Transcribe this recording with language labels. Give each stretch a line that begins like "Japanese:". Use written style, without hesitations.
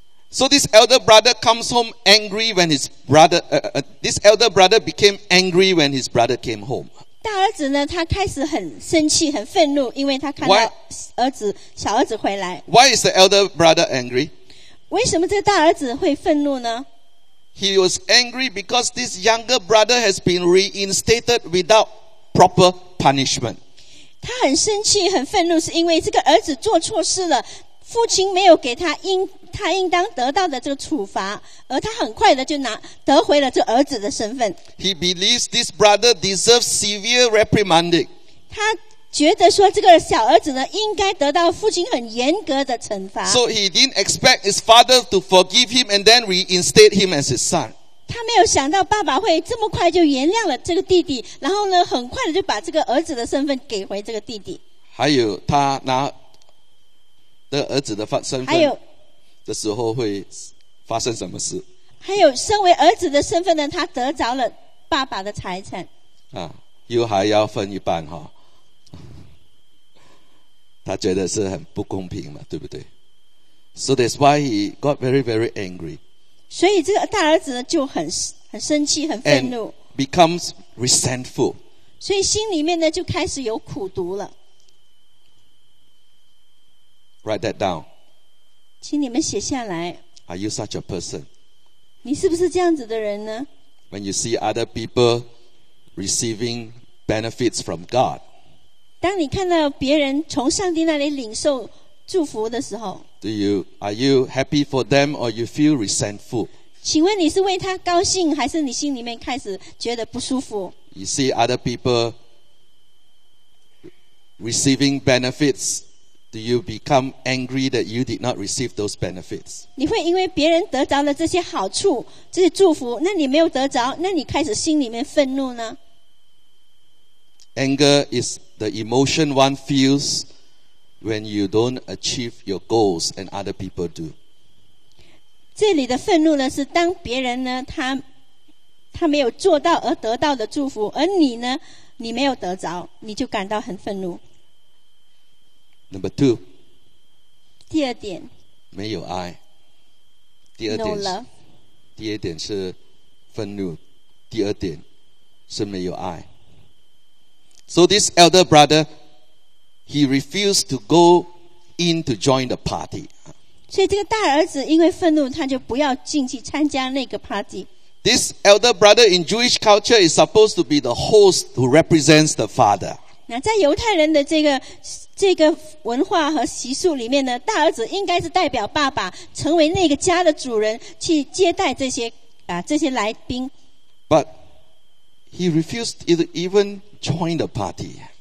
English: So this elder brother comes home angry when his brother, this elder brother became angry when his brother came home.
Chinese: 大儿子呢，他开始很生气，很愤怒，因为他看到小儿子回来。
English: Why is the elder brother angry?
Chinese: 为什么这大儿子会愤怒呢？
English: He was angry because this younger brother has been reinstated without proper punishment.
Chinese: 他很生气，很愤怒，是因为这个儿子做错事了，父亲没有给他应他应当得到的这个处罚，而他很快的就拿得回了这儿子的身份。
English: He believes this brother deserves severe reprimanding.
Chinese: 他觉得说这个小儿子呢，应该得到父亲很严格的惩罚。
English: So he didn't expect his father to forgive him and then reinstate him as his son.
Chinese: 他没有想到爸爸会这么快就原谅了这个弟弟，然后呢，很快的就把这个儿子的身份给回这个弟弟。还有他拿这个儿子的身份，还有的时候会发生什么事？还有身为儿子的身份呢，他得着了爸爸的财产啊，又还要分一半哈、哦，他觉得是很不公平嘛，对不对 ？
English: So that's why he got very very angry.
Chinese: 所以这个大儿子呢就很生气，很愤怒
English: and ，becomes resentful.
Chinese: 所以心里面呢就开始有苦毒了。
English: Write that down.
Chinese: 请你们写下来。
English: Are you such a person?
Chinese: 你是不是这样子的人呢？
English: When you see other people receiving benefits from God,
Chinese: 当你看到别人从上帝那里领受祝福的时候，
English: Are you happy for them or you feel resentful?
Chinese: 请问你是为他高兴，还是你心里面开始觉得不舒服？
English: You see other people receiving benefits. Do you become angry that you did not receive those benefits?
Chinese: 你会因为别人得着了这些好处，这些祝福，那你没有得着，那你开始心里面愤怒呢？
English: Anger is the emotion one feels when you don't achieve your goals and other people do.
Chinese: 这里的愤怒呢，是当别人呢，他没有做到而得到的祝福，而你呢，你没有得着，你就感到很愤怒。
English: Number two,
Chinese: 第二点，没有爱。第二点，
English: no love.
Chinese: 第二点是愤怒，第二点是没有爱。
English: So this elder brother, he refused to go in to join the party.
Chinese: 所以这个大儿子因为愤怒，他就不要进去参加那个 party。
English: This elder brother in Jewish culture is supposed to be the host who represents the father.
Chinese: 那在犹太人的这个文化和习俗里面呢，大儿子应该是代表爸爸，成为那个家的主人，去接待这些来宾。
English: But he refused to even join the party.